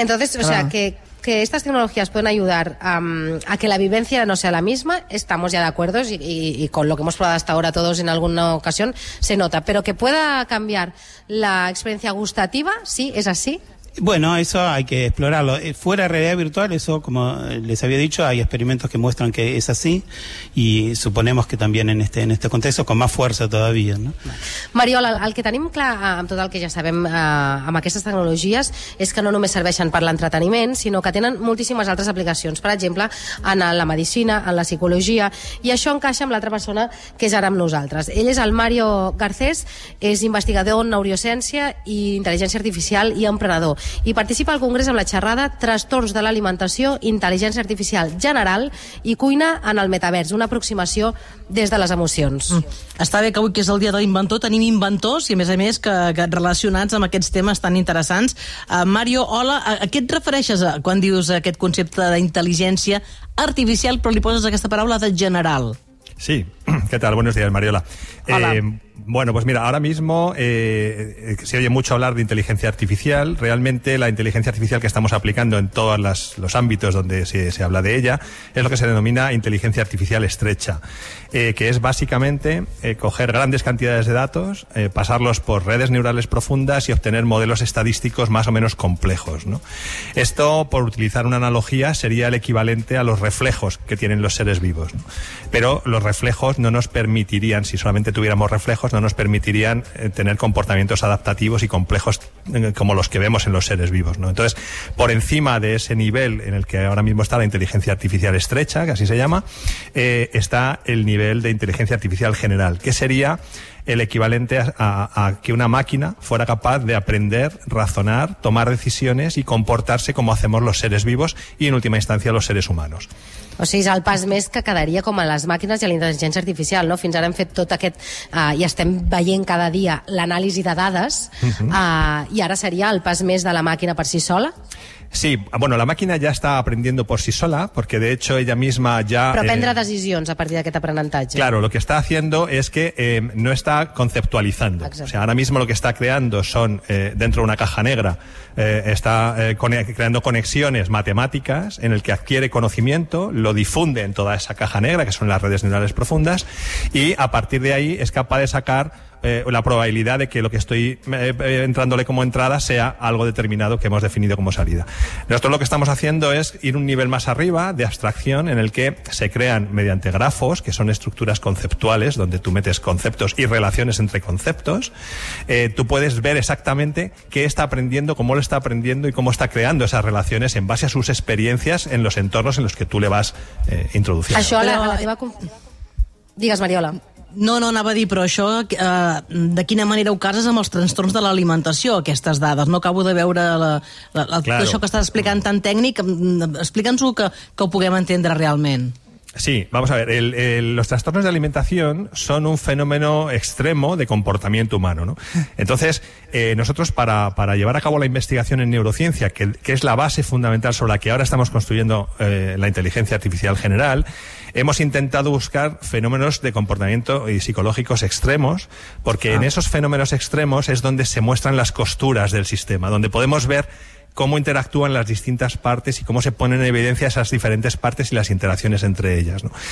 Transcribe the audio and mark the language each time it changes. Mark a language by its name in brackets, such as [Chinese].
[Spanish] Entonces, o sea, que estas tecnologías pueden ayudar a que la vivencia no sea la misma, estamos ya de acuerdo, y con lo que hemos probado hasta ahora todos en alguna ocasión se nota, pero que pueda cambiar la experiencia gustativa, sí, es así. Bueno, eso hay que explorarlo. Fuera de realidad virtual, eso, como les había dicho, hay experimentos que muestran que es así, y suponemos que también en este contexto, con más fuerza todavía, ¿no? [Catalan] Mariola, el que tenim clar amb tot el que ja sabem amb aquestes tecnologies és que no només serveixen per l'entreteniment, sinó que tenen moltíssimes altres aplicacions, per exemple, en la medicina, en la psicologia, i això encaixa amb l'altra persona que és ara amb nosaltres. Ell és el Mario Garcés, és investigador en neurociència i intel·ligència artificial i emprenedor, i participa al Congrés amb la xerrada Trastorns de l'alimentació, intel·ligència artificial general i cuina en el metavers, una aproximació des de les emocions. Està bé que avui, que és el dia de l'inventor, tenim inventors, i a més que relacionats amb aquests temes tan interessants. Mario, hola, a què et refereixes quan dius aquest concepte d'intel·ligència artificial, però li poses aquesta paraula de general? [Spanish] Sí, ¿qué tal? Buenos días, Mariola. Hola. Bueno, pues mira, ahora mismo se oye mucho hablar de inteligencia artificial. Realmente la inteligencia artificial que estamos aplicando en todos los ámbitos donde se habla de ella es lo que se denomina inteligencia artificial estrecha, que es básicamente coger grandes cantidades de datos, pasarlos por redes neurales profundas y obtener modelos estadísticos más o menos complejos, ¿no? Esto, por utilizar una analogía, sería el equivalente a los reflejos que tienen los seres vivos, ¿no? Pero los reflejos no nos permitirían, si solamente tuviéramos reflejos, complejos no nos permitirían tener comportamientos adaptativos y complejos como los que vemos en los seres vivos, ¿no? Entonces, por encima de ese nivel en el que ahora mismo está la inteligencia artificial estrecha, que así se llama, está el nivel de inteligencia artificial general, que sería el equivalente a que una máquina fuera capaz de aprender, razonar, tomar decisiones y comportarse como hacemos los seres vivos y, en última instancia, los seres humanos. [Catalan] O sigui, és el pas més que quedaria com a les màquines i a la intel·ligència artificial, no? Fins ara hem fet tot aquest, i estem veient cada dia l'anàlisi de dades, i ara seria el pas més de la màquina per si sola? [Spanish] Sí, bueno, la máquina ya está aprendiendo por sí sola, porque de hecho ella misma ya... [Catalan] Prendre decisions a partir d'aquest aprenentatge. [Spanish] Claro, lo que está haciendo es que no está conceptualizando. Exacto. O sea, ahora mismo lo que está creando son, dentro de una caja negra, está creando conexiones matemáticas en el que adquiere conocimiento, lo difunde en toda esa caja negra, que son las redes neuronales profundas, y a partir de ahí es capaz de sacar la probabilidad de que lo que estoy entrándole como entrada sea algo determinado que hemos definido como salida. Nosotros lo que estamos haciendo es ir un nivel más arriba de abstracción en el que se crean mediante grafos, que son estructuras conceptuales donde tú metes conceptos y relaciones entre conceptos. Tú puedes ver exactamente qué está aprendiendo, cómo lo está aprendiendo y cómo está creando esas relaciones en base a sus experiencias en los entornos en los que tú le vas introduciendo. [Catalan] Això, digues, Mariola. No, anava a dir, però això, de quina manera ho cases amb els trastorns de l'alimentació, aquestes dades? No acabo de veure [Spanish] claro. [Catalan] Això que estàs explicant tan tècnic. Explica'ns-ho que ho puguem entendre realment. [Spanish] Sí, vamos a ver, los trastornos de alimentación son un fenómeno extremo de comportamiento humano, ¿no? Entonces, nosotros para llevar a cabo la investigación en neurociencia, que es la base fundamental sobre la que ahora estamos construyendo la inteligencia artificial general, hemos intentado buscar fenómenos de comportamiento y psicológicos extremos, porque en esos fenómenos extremos es donde se muestran las costuras del sistema, donde podemos ver cómo interactúan las distintas partes y cómo se ponen en evidencia esas diferentes partes y las interacciones entre ellas, ¿no?